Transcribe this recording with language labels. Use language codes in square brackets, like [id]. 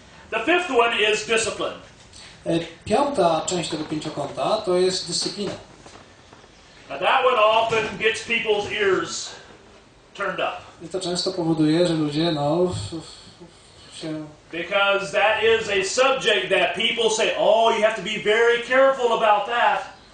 [en] The fifth one is discipline. [pl] Piąta część tego pięciokąta to jest dyscyplina. [en] Now that one often gets people's ears turned up. [pl] I to często powoduje, że ludzie się... [en] Because that is a subject that people say, oh, you have to be very careful about that.